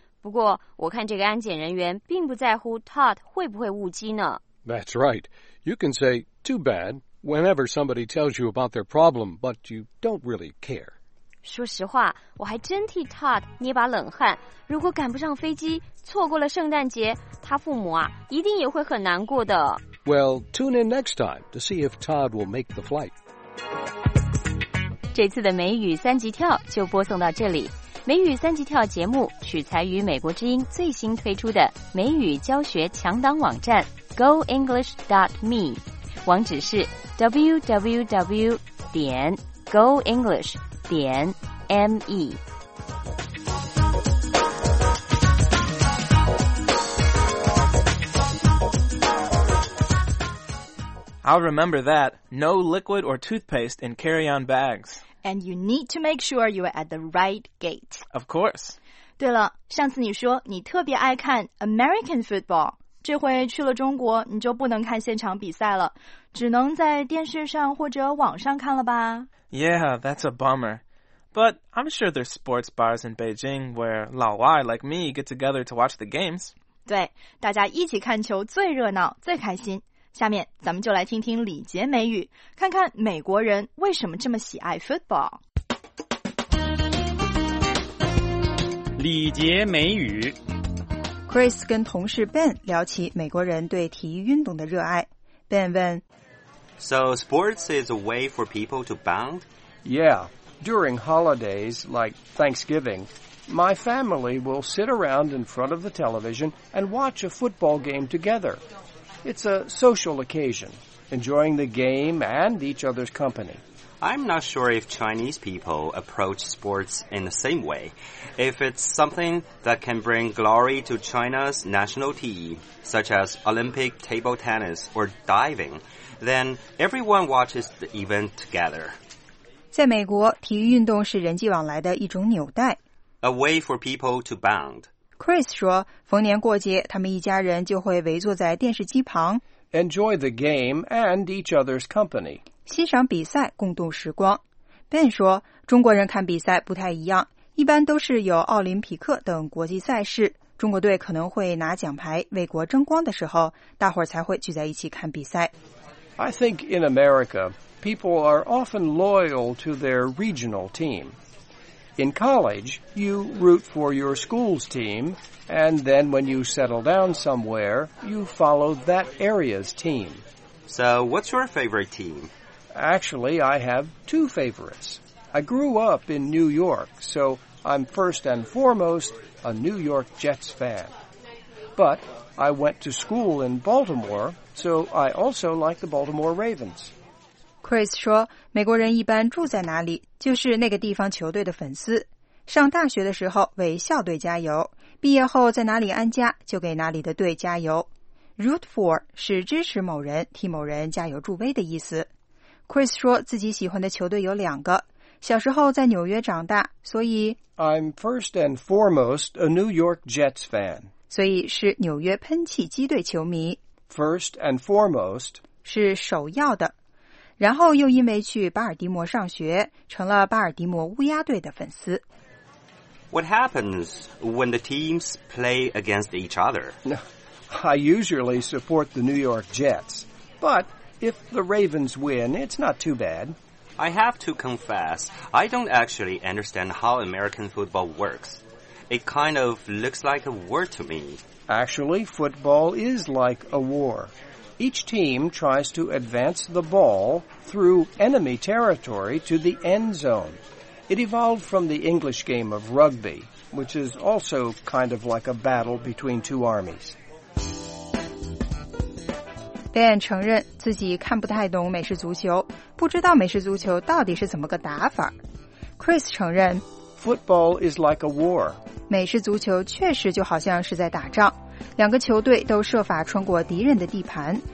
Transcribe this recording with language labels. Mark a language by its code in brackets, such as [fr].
[zh] 不过我看这个安检人员并不在乎 Todd 会不会误机呢。 [en] That's right. You can say, too bad, whenever somebody tells you about their problem, but you don't really care. [zh] 说实话我还真替 Todd 捏把冷汗。如果赶不上飞机错过了圣诞节他父母啊一定也会很难过的。 [en] Well, tune in next time to see if Todd will make the flight. [zh] 这次的美语三级跳就播送到这里。美语三级跳节目取材于美国之音最新推出的美语教学强档网站 goenglish.me， 网址是 www.goenglish.me。 [en] I'll remember that. No liquid or toothpaste in carry-on bags. And you need to make sure you are at the right gate. Of course. [zh] 对了，上次你说你特别爱看 American football. 这回去了中国，你就不能看现场比赛了，只能在电视上或者网上看了吧？ [en] Yeah, that's a bummer. But I'm sure there's sports bars in Beijing where 老外 like me get together to watch the games. [zh] 对，大家一起看球最热闹，最开心。下面咱们就来听听李杰美语，看看美国人为什么这么喜爱 football。李杰美语，Chris 跟同事 Ben 聊起美国人对体育运动的热爱。Ben 问 [en] ：“So sports is a way for people to bond? Yeah, during holidays like Thanksgiving, my family will sit around in front of the television and watch a football game together.” It's a social occasion, enjoying the game and each other's company. I'm not sure if Chinese people approach sports in the same way, if it's something that can bring glory to China's national team, such as Olympic table tennis or diving, then everyone watches the event together. [zh] 在美国，体育运动是人际往来的一种纽带。 [en] A way for people to bond. [zh] Chris 说，逢年过节，他们一家人就会围坐在电视机旁 [en] ，enjoy the game and each other's company， [zh] 欣赏比赛，共度时光。 Ben 说，中国人看比赛不太一样，一般都是有奥林匹克等国际赛事，中国队可能会拿奖牌为国争光的时候，大伙儿才会聚在一起看比赛。 [en] I think in America, people are often loyal to their regional team. In college, you root for your school's team, and then when you settle down somewhere, you follow that area's team. So, what's your favorite team? Actually, I have two favorites. I grew up in New York, so I'm first and foremost a New York Jets fan. But I went to school in Baltimore, so I also like the Baltimore Ravens. [zh] Chris 说，美国人一般住在哪里，就是那个地方球队的粉丝。上大学的时候为校队加油，毕业后在哪里安家，就给哪里的队加油。 Root for 是支持某人，替某人加油助威的意思。 Chris 说自己喜欢的球队有两个，小时候在纽约长大，所以 [en] I'm first and foremost a New York Jets fan. [zh] 所以是纽约喷气机队球迷。 [en] First and foremost [zh] 是首要的，然后又因为去巴尔的摩上学，成了巴尔的摩乌鸦队的粉丝。 [en] What happens when the teams play against each other? I usually support the New York Jets, but if the Ravens win, it's not too bad. I have to confess, I don't actually understand how American football works. It kind of looks like a war to me. Actually, football is like a war. Each team tries to advance the ball through enemy territory to the end zone. It evolved from the English game of rugby, which is also kind of like a battle between two armies. [zh] Ben 承认自己看不太懂美式足球，不知道美式足球到底是怎么个打法。 Chris 承认 [en] ，Football is like a war. [zh] 美式足球确实就好像是在打仗，两个球队都设法穿过敌人的地盘